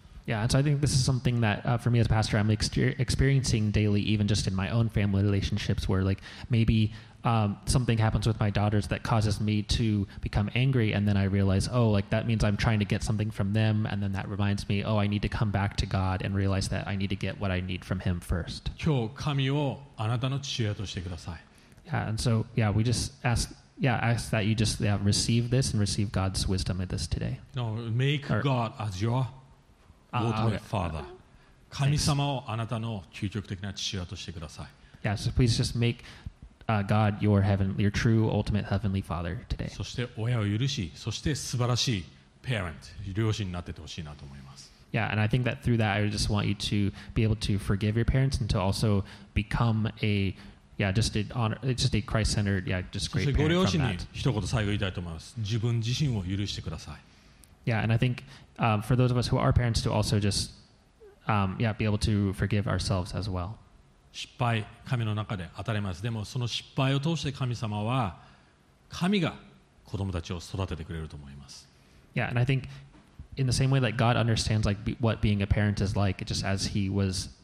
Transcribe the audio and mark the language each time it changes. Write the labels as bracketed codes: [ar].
[en] Yeah, and so I think this is something that for me as a pastor, I'm experiencing daily, even just in my own family relationships, where like maybe something happens with my daughters that causes me to become angry, and then I realize, oh, like that means I'm trying to get something from them, and then that reminds me, oh, I need to come back to God and realize that I need to get what I need from Him first. [ja] 今日神をあなたの父親としてください。 [en] Yeah, and so yeah, we just ask. Yeah, I ask that you just receive this and receive God's wisdom with this today. No, make God as your ultimate father. [ja] 神様をあなたの究極的な父親としてください。 [en] Yeah, so please just make God your true ultimate heavenly father today. [ja] そして親を許し、そして素晴らしい [en] parent、 [ja] 両親になっててほしいなと思います。 [en] Yeah, and I think that through that, I just want you to be able to forgive your parents and to also become a... Yeah, just an honor. It's just a Christ-centered, yeah, just great parent from that. [ja] 一言最後言いたいと思います。自分自身を許してください。 [en] Yeah, and I think for those of us who are parents to also just be able to forgive ourselves as well. [ja] 失敗、神の中で当たります。でもその失敗を通して神様は、神が子供たちを育ててくれると思います。 [en] Yeah, and I think in the same way that God understands like what being a parent is like, just as He was.